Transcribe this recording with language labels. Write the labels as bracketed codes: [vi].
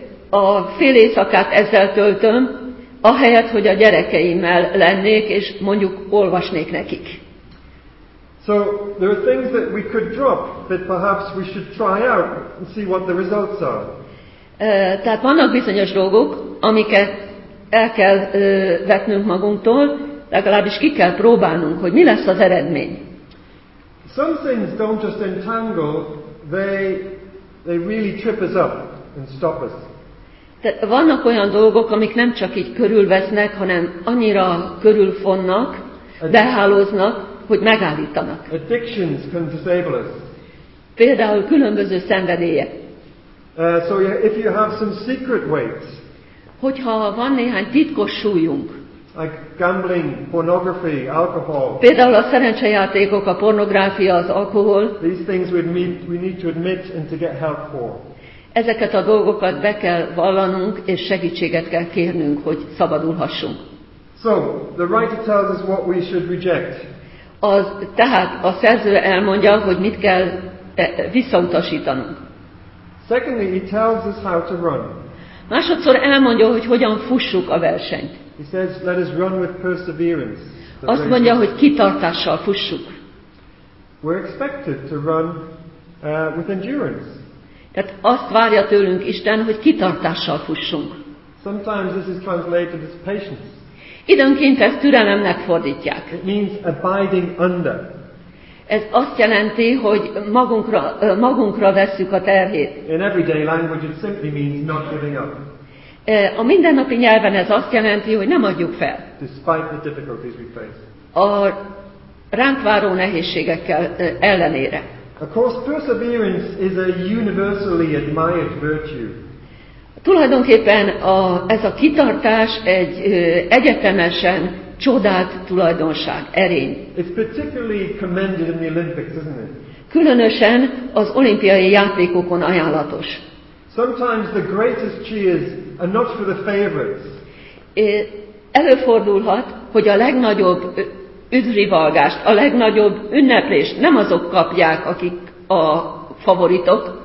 [hu] A fél éjszakát ezzel töltöm, ahelyett, hogy a gyerekeimmel lennék, és mondjuk olvasnék nekik. [en] So there are things that we could drop, but perhaps we should try out and see what the results are. [hu] Tehát vannak bizonyos dolgok, amiket el kell vetnünk magunktól, legalábbis ki kell próbálnunk, hogy mi lesz az eredmény. [en] Some things don't just entangle, they really trip us up and stop us. [hu] Tehát vannak olyan dolgok, amik nem csak így körülvesznek, hanem annyira körülfonnak, behálóznak, hogy megállítanak. [en] Addictions can disable us. [hu] Például különböző szenvedélyek. [en] So if you have some secret weights. [hu] Hogyha van néhány titkos súlyunk. [en] Like gambling, pornography, alcohol. [hu] Például a szerencsejátékok, a pornográfia, az alkohol. [en] These things we need to admit and to get help for. [hu] Ezeket a dolgokat be kell vallanunk, és segítséget kell kérnünk, hogy szabadulhassunk. [en] So, the writer tells us what we should reject. [hu] Tehát a szerző elmondja, hogy mit kell visszautasítanunk. [en] Secondly, he tells us how to run. [hu] Másodszor elmondja, hogy hogyan fussuk a versenyt. [en] He says, let us run with perseverance. [hu] Azt mondja, hogy kitartással fussuk. [en] We're expected to run with endurance. [hu] Tehát azt várja tőlünk Isten, hogy kitartással fussunk. [en] Sometimes this is translated as patience. [hu] Időnként ezt türelemnek fordítják. [en] It means abiding under. [hu] Ez azt jelenti, hogy magunkra vesszük a terhét. [en] In everyday language it simply means not giving up. [hu] A mindennapi nyelven ez azt jelenti, hogy nem adjuk fel. [en] Despite the difficulties we face. [hu] A ránk váró nehézségekkel ellenére. [en] Of course, perseverance is a universally admired virtue. [hu] Tulajdonképpen ez a kitartás egy egyetemesen csodált tulajdonság, erény. [en] It's particularly commended in the Olympics, isn't it? [hu] Különösen az olimpiai játékokon ajánlatos. [en] Sometimes the greatest cheers are not for the favorites. [hu] Előfordulhat, hogy a legnagyobb üdvrivalgást, a legnagyobb ünneplést nem azok kapják, akik a favoritok,